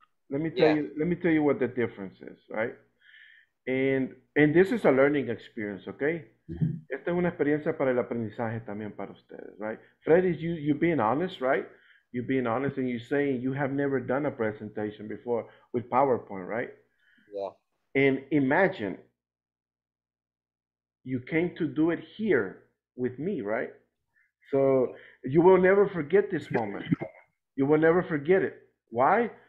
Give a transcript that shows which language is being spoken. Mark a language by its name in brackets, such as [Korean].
[English] Let me tell you what the difference is, right? And this is a learning experience, okay? Mm-hmm. [Spanish] Esta es una experiencia para el aprendizaje también para ustedes, right? [English] Freddy's, you being honest, right? You being honest and you're saying you have never done a presentation before with PowerPoint, right? Yeah. And imagine you came to do it here with me, right? So you will never forget this moment. You will never forget it. Why?